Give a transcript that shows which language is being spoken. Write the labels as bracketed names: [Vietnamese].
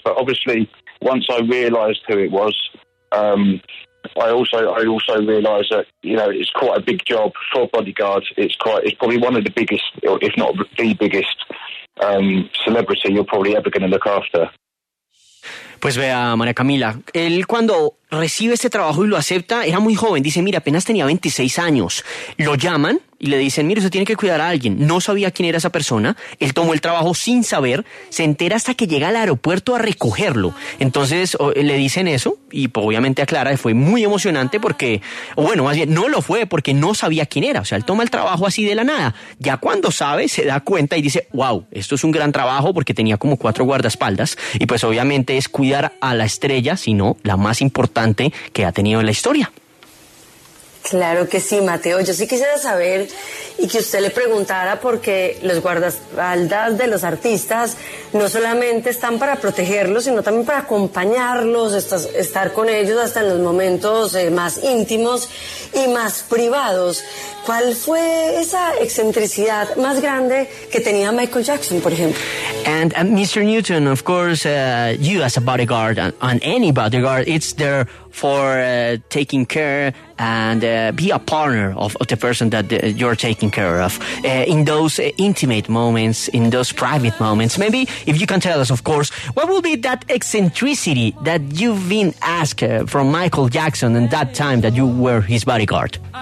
[English] But obviously, once I realised who it was, I also realise that, you know, it's quite a big job for bodyguards. It's probably one of the biggest, if not the biggest, celebrity you're probably ever going to look after. [Spanish] Pues vea, María Camila, él cuando recibe este trabajo y lo acepta, era muy joven. Dice, mira, apenas tenía 26 años. Lo llaman y le dicen, mire, usted tiene que cuidar a alguien. No sabía quién era esa persona. Él tomó el trabajo sin saber. Se entera hasta que llega al aeropuerto a recogerlo. Entonces le dicen eso y obviamente aclara, fue muy emocionante porque, bueno, más bien, no lo fue porque no sabía quién era. O sea, él toma el trabajo así de la nada. Ya cuando sabe, se da cuenta y dice, wow, esto es un gran trabajo porque tenía como 4 guardaespaldas. Y pues obviamente es cuidar a la estrella, sino la más importante que ha tenido en la historia. Claro que sí, Mateo. Yo sí quisiera saber y que usted le preguntara porque los guardaespaldas de los artistas no solamente están para protegerlos, sino también para acompañarlos, estar con ellos hasta en los momentos más íntimos y más privados. ¿Cuál fue esa excentricidad más grande que tenía Michael Jackson, por ejemplo? [English] And Mr. Newton, of course, you as a bodyguard, and any bodyguard, it's there for taking care and be a partner of the person that you're taking care of in those intimate moments, in those private moments. Maybe if you can tell us, of course, what will be that eccentricity that you've been asked from Michael Jackson in that time that you were his bodyguard?